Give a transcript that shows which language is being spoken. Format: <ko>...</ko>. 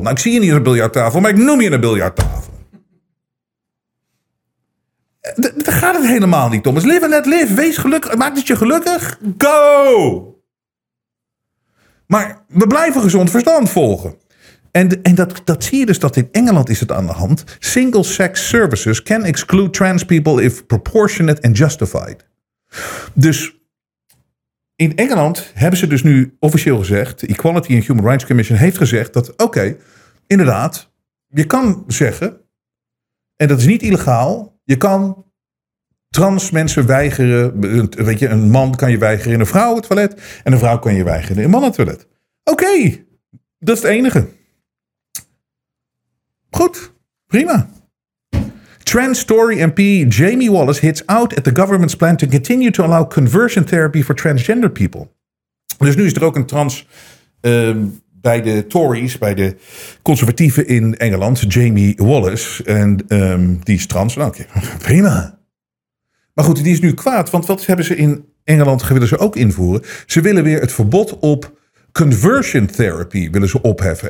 <nl>Nou, ik zie je niet als een biljarttafel, maar ik noem je een biljarttafel. Daar gaat het helemaal niet om. Dus</nl> <en>live and let live.</en> <nl>Wees gelukkig. Maakt het je gelukkig? Go! Maar we blijven gezond verstand volgen. En dat zie je dus dat in Engeland is het aan de hand.</nl> <en>Single-sex services can exclude trans people if proportionate and justified.</en> <nl>Dus in Engeland hebben ze dus nu officieel gezegd, de Equality and Human Rights Commission heeft gezegd dat, oké, inderdaad, je kan zeggen, en dat is niet illegaal, je kan trans mensen weigeren, weet je, een man kan je weigeren in een vrouwentoilet en een vrouw kan je weigeren in een mannentoilet. Oké, dat is het enige. Goed, prima.</nl> <en>Trans Tory MP Jamie Wallace hits out at the government's plan to continue to allow conversion therapy for transgender people.</en> <nl>Dus nu is er ook een trans bij de Tories, bij de conservatieven in Engeland, Jamie Wallace. En die is trans. Nou, oké, prima. Maar goed, die is nu kwaad, want wat hebben ze in Engeland, willen ze ook invoeren? Ze willen weer het verbod op conversion therapy willen ze opheffen.</nl>